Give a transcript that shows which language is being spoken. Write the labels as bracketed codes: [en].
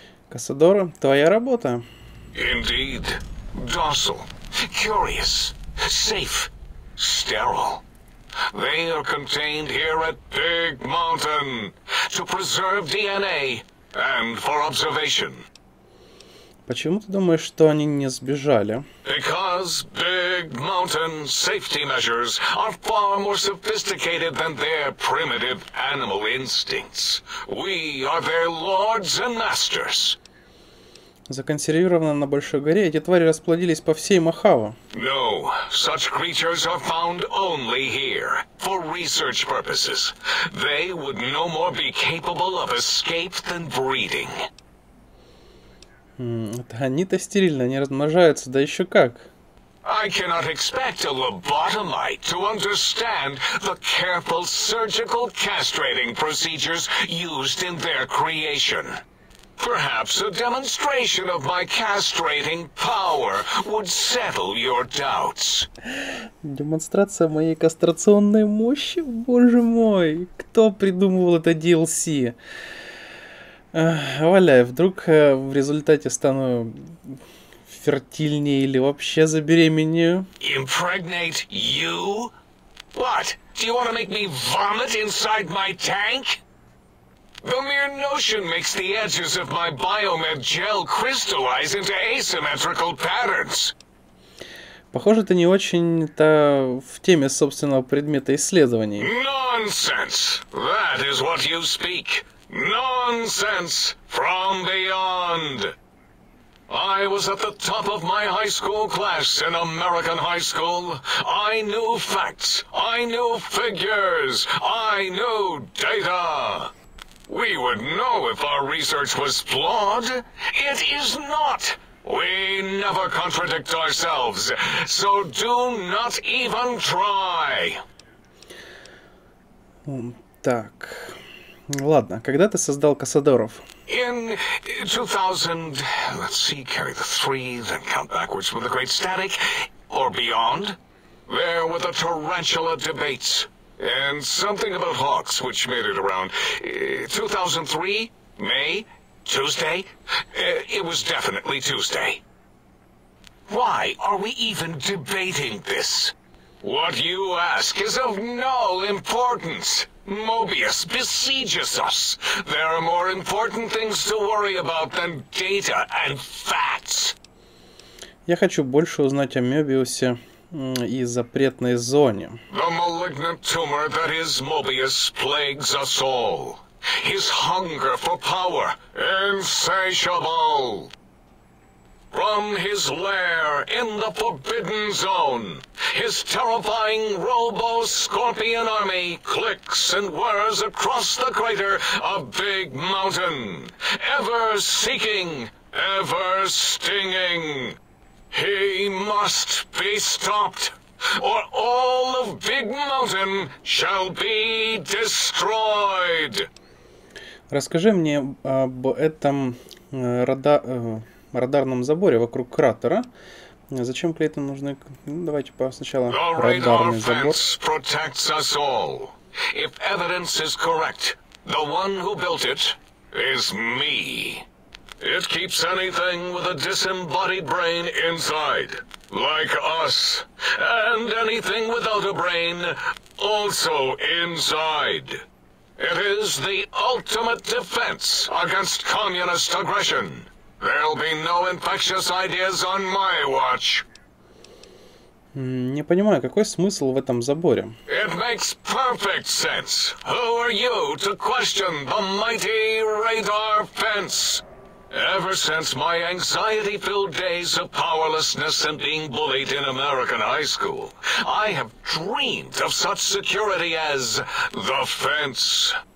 [ru] Cazadora, твоя работа. [en] Indeed. Docile, curious, safe, sterile. They are contained here at Big Mountain to preserve DNA and for observation. [ru] Почему ты думаешь, что они не сбежали? [en] Because Big Mountain safety measures are far more sophisticated than their primitive animal instincts. We are their lords and masters. [ru] Законсервировано на Большой Горе, эти твари расплодились по всей Мохаве. [en] No, such creatures are found only here, for research purposes. They would no more be capable of escape than breeding. [ru] Это они-то стерильны, они размножаются, да еще как. [en] I cannot expect a lobotomite to understand the careful surgical castrating procedures used in their creation. Perhaps a demonstration of my castrating power would settle your doubts. [ru] Демонстрация моей кастрационной мощи? Боже мой, кто придумывал это DLC? Валяй, вдруг в результате стану фертильнее или вообще забеременею? [en] Impregnate you? What? Do you want to make me vomit inside my tank? The mere notion makes the edges of my biomed gel crystallize into asymmetrical patterns. [ru] Похоже, ты не очень-то в теме собственного предмета исследований. [en] Nonsense! That is what you speak. Nonsense from beyond. I was at the top of my high school class in American high school. I knew facts. I knew figures. I knew data. We would know if our research was flawed. It is not. We never contradict ourselves. So do not even try. [ru] Так. Ладно, когда ты создал Касадоров? [en] In 2000, let's see, carry the three, then count backwards with the great static, or beyond. There were the tarantula debates, and something about hawks which made it around. 2003, May, Tuesday, it was definitely Tuesday. Why are we even debating this? What you ask is of no importance. Mobius besieges us. There are more important things to worry about than data and facts. [ru] Я хочу больше узнать о Мёбиусе и запретной зоне. [en] The malignant tumor that is Mobius plagues us all. His hunger for power insatiable. From his lair in the forbidden zone, his terrifying robo-scorpion army clicks and whirs across the crater of Big Mountain, ever seeking, ever stinging. He must be stopped, or all of Big Mountain shall be destroyed. [ru] Расскажи мне об этом радарном заборе вокруг кратера. Зачем клейты нужны? Ну, давайте сначала радарный забор. [en] The radar fence protects us all. If evidence is correct, the one who built it is me. It keeps anything with a disembodied brain inside, like us, and anything without a brain also inside. It is the ultimate defense against communist aggression. There'll be no infectious ideas on my watch. [ru] Не понимаю, какой смысл в этом заборе? [en] It makes perfect sense. Who are you to question the mighty radar fence? Ever since my anxiety-filled days of powerlessness and being bullied in American high school, I have dreamed of such security as the fence.